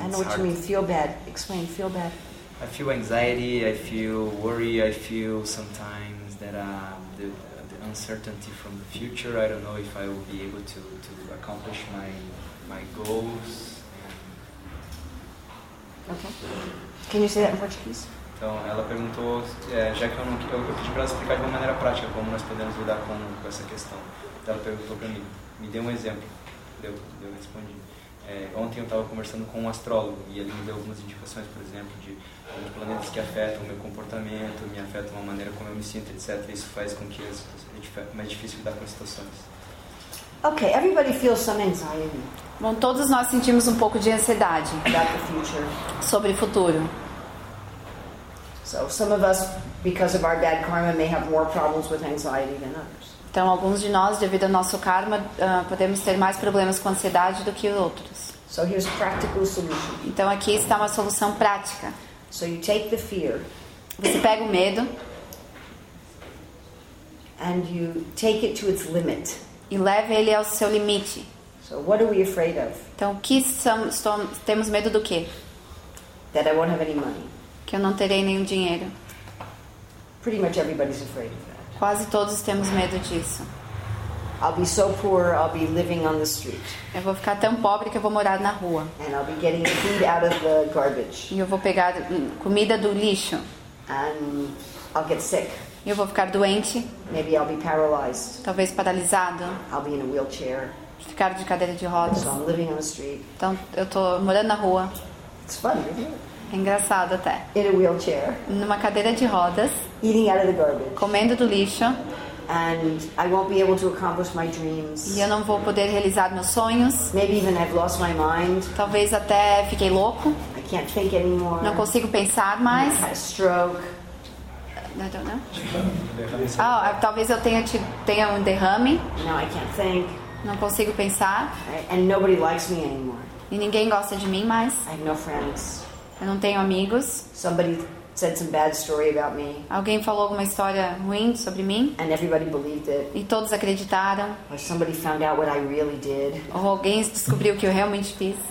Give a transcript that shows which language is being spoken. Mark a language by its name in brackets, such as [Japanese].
[English] I know what you mean. Feel bad. Explain. Feel bad. I feel anxiety. I feel worry. I feel sometimes. That the uncertainty from the future. I don't know if I will be able to accomplish my goals. Okay. Can you say that in Portuguese? [Portuguese] Então, ela perguntou, já que eu pedi para ela explicar de uma maneira prática como nós podemos lidar com essa questão. Então, ela perguntou para mim, me dê um exemplo. Eu respondi. Ontem eu estava conversando com um astrólogo e ele me deu algumas indicações, por exemplo, de planetas que afetam o meu comportamento, me afetam a maneira como eu me sinto, etc. Isso faz com que seja mais difícil lidar com as situações. [English] Ok, everybody feels some anxiety. [Portuguese] Bom, todos nós sentimos um pouco de ansiedade sobre o futuro. [English] So some of us, because of our bad karma, may have more problems with anxiety than others. [Portuguese] Então, alguns de nós, devido ao nosso karma, podemos ter mais problemas com ansiedade do que outros. [English] So here's a practical solution. [Portuguese] Então, aqui está uma solução prática. [English] So you take the fear, [Portuguese] você pega o medo [English] and you take it to its limit. [Portuguese] E leva ele ao seu limite. [English] So what are we afraid of? [Portuguese] Então, temos medo do quê? [English] That I won't have any money. [Portuguese] Que eu não terei nenhum dinheiro. [English] Pretty much everybody's afraid of that. [Portuguese] Quase todos temos medo disso. [English] I'll be so poor, I'll be living on the street. [Portuguese] Eu vou ficar tão pobre que eu vou morar na rua. [English] And I'll be getting food out of the garbage. [Portuguese] E eu vou pegar comida do lixo. [English] And I'll get sick. [Portuguese] E eu vou ficar doente. [English] Maybe I'll be paralyzed. [Portuguese] Talvez paralisado. [English] I'll be in a wheelchair. [Portuguese] Ficar de cadeira de rodas. [English] So I'm living on the street. [Portuguese] Então eu tô morando na rua. [English] It's fun, isn't it? [Portuguese] É engraçado até. [English] In a wheelchair, [Portuguese] numa cadeira de rodas. [English] Eating out of the garbage, [Portuguese] comendo do lixo. [English] And I won't be able to accomplish my dreams. [Portuguese] E eu não vou poder realizar meus sonhos. [English] Maybe even I've lost my mind. [Portuguese] Talvez até fiquei louco. [English] I can't think anymore. [Portuguese] Não consigo pensar mais. [English] I've had a stroke. I don't know. [Portuguese] Oh, talvez eu tenha um derrame. [English] Now I can't think. [Portuguese] Não consigo pensar. [English] And nobody likes me anymore. [Portuguese] E ninguém gosta de mim mais. [English] I have no friends. [Portuguese] Eu não tenho amigos. [English] Somebody said some bad story about me. [Portuguese] Alguém falou alguma história ruim sobre mim. [English] And everybody believed it. [Portuguese] E todos acreditaram. [English] Or somebody found out what I really did. [Portuguese] Ou alguém descobriu o que eu realmente fiz.